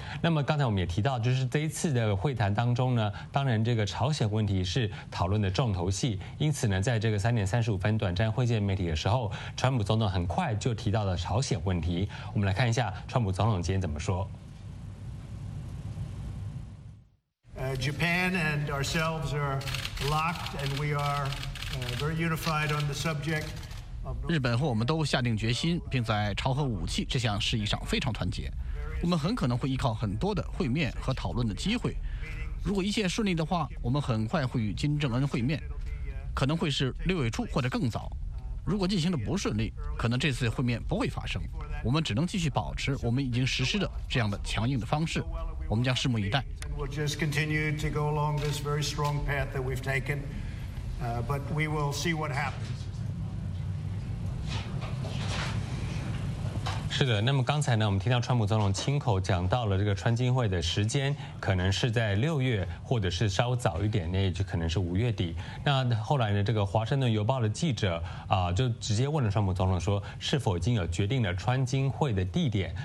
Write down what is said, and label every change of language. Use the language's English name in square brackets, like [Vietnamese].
[Chinese] 那么刚才我们也提到，就是这一次的会谈当中呢，当然这个朝鲜问题是讨论的重头戏，因此呢，在这个3:35短暂会见媒体的时候，川普总统很快就提到了朝鲜问题。我们来看一下川普总统今天怎么说。 [English] Japan and ourselves are locked, and we are very unified on the subject. [Chinese] 日本和我们都下定决心，并在朝核武器这项事宜上非常团结。我们很可能会依靠很多的会面和讨论的机会。如果一切顺利的话，我们很快会与金正恩会面，可能会是6月初或者更早。如果进行的不顺利，可能这次会面不会发生。我们只能继续保持我们已经实施的这样的强硬的方式。我们将拭目以待。 [English] We'll just continue to go along this very strong path that we've taken, but we will see what happens. [Chinese] 是的，那么刚才呢，我们听到川普总统亲口讲到了这个川金会的时间，可能是在6月，或者是稍早一点，那也就可能是5月底。那后来呢，这个《华盛顿邮报》的记者就直接问了川普总统说，是否已经有决定了川金会的地点？